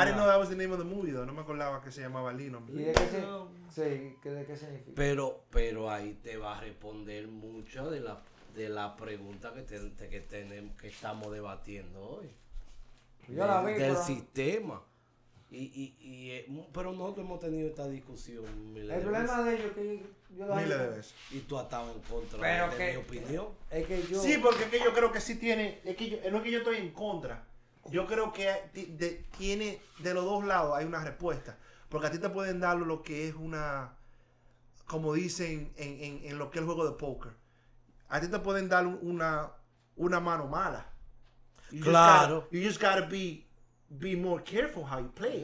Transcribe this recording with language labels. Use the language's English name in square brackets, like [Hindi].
[English] I didn't know that was the name of the movie, though. [Spanish] No me acordaba que se llamaba Lino. ¿Y de qué significa? Pero ahí te va a responder mucho de la pregunta que estamos debatiendo hoy. Yo la vi, sistema. Pero nosotros hemos tenido esta discusión. El problema de ellos es que yo la vi miles de veces. Y tú has estado en contra de mi opinión. Es que yo. Sí, porque es que yo creo que sí tiene. Es que yo, no es que yo estoy en contra. Yo creo que tiene de los dos lados hay una respuesta. Porque a ti te pueden dar lo que es una, como dicen en lo que es el juego de póker. A ti te pueden dar una mano mala. Claro. [English] You just gotta be more careful how you play.